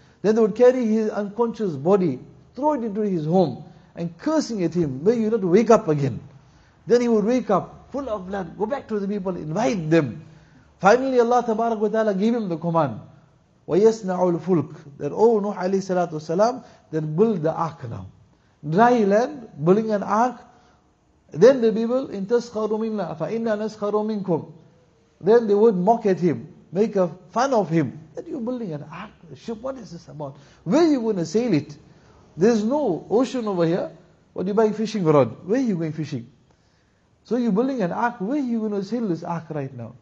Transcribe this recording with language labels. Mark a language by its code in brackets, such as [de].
[en] Then they would carry his unconscious body, throw it into his home, and cursing at him, may you not wake up again. Then he would wake up, full of blood, go back to the people, invite them. Finally Allah tabarak wa ta'ala gave him the command, [ar] وَيَسْنَعُ الْفُلْكِ, [en] that, oh Nuh alayhi salatu wasalam, then build the ark now. Dry land, building an ark. Then the people, [ar] إِن تَسْخَرُ مِنَّا فَإِنَّا نَسْخَرُ مِنْكُمْ. [en] Then they would mock at him, make a fun of him. That you're building an ark, a ship, what is this about? Where are you going to sail it? There's no ocean over here. What are you buying fishing rod? Where are you going fishing? So you're building an ark, where are you going to sail this ark right now?